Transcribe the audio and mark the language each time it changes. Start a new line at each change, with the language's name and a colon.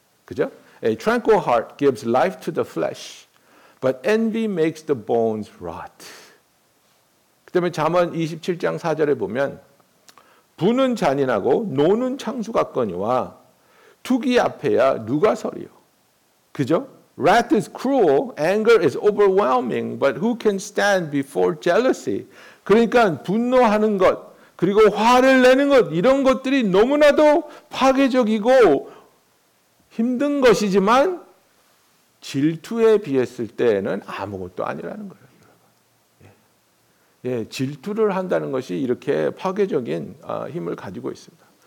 Korean: 그죠?
English: A tranquil heart gives life to the flesh, but envy makes the bones rot.
Korean: 그다음에 잠언 27장 4절에 보면 부는 잔인하고 노는 창수 같거니와 투기 앞에야 누가 서리요? 그죠?
English: Wrath is cruel, anger is overwhelming, but who can stand before jealousy?
Korean: 그러니까 분노하는 것, 그리고 화를 내는 것, 이런 것들이 너무나도 파괴적이고 힘든 것이지만 질투에 비했을 때는 아무것도 아니라는 거예요. 예, 질투를 한다는 것이 이렇게 파괴적인 힘을 가지고 있습니다.